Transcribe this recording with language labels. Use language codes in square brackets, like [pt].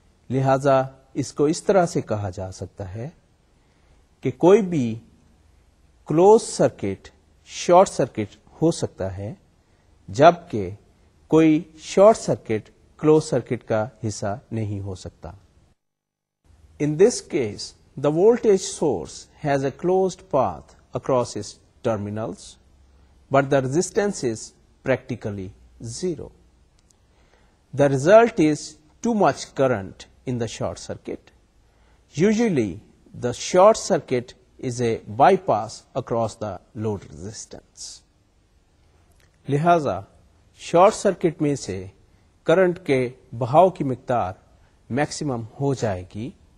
[ur] لہذا اس کو اس طرح سے کہا جا سکتا ہے کہ کوئی بھی کلوز سرکٹ شارٹ سرکٹ ہو سکتا ہے, جبکہ کوئی شارٹ سرکٹ کلوز سرکٹ کا حصہ نہیں ہو سکتا. [en] In this case, the voltage source has a closed path across its terminals, but the resistance is practically zero. The result is too much current in the short circuit. Usually, the short circuit is a bypass across the load resistance. [ur] لہذا short circuit میں سے current کے بہاؤ کی مقدار maximum ہو جائے گی.